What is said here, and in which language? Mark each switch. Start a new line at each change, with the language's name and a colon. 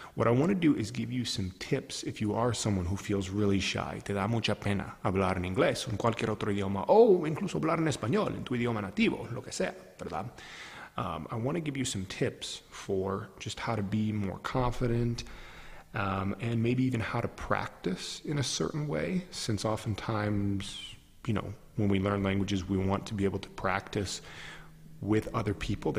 English: What I want to do is give you some tips if you are someone who feels really shy.
Spanish: Te da mucha pena hablar en inglés o en cualquier otro idioma, o incluso hablar en español, en tu idioma nativo, lo que sea, ¿verdad?
English: I want to give you some tips for just how to be more confident, and maybe even how to practice in a certain way, since oftentimes, when we learn languages, we want to be able to practice with other people.